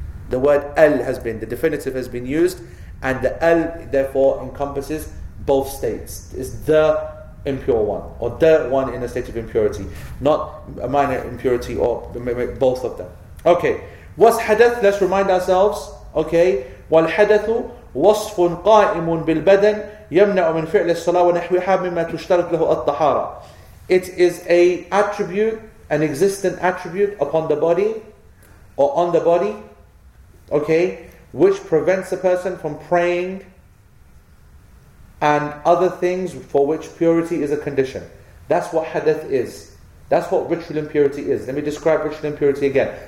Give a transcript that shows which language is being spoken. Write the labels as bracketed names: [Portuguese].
[English] The word al has been, the definitive has been used, and the al therefore encompasses both states. It's the impure one, or the one in a state of impurity, not a minor impurity, or both of them. Okay. What's hadath? Let's remind ourselves. Okay. [Arabic] Wal hadathu وصف قائم بالبدن يمنع من فعل الصلاة ونحوها مما تشترط له الطهارة. [English] It is a attribute, an existent attribute upon the body or on the body, okay, which prevents a person from praying and other things for which purity is a condition. That's what hadith is. That's what ritual impurity is. Let me describe ritual impurity again.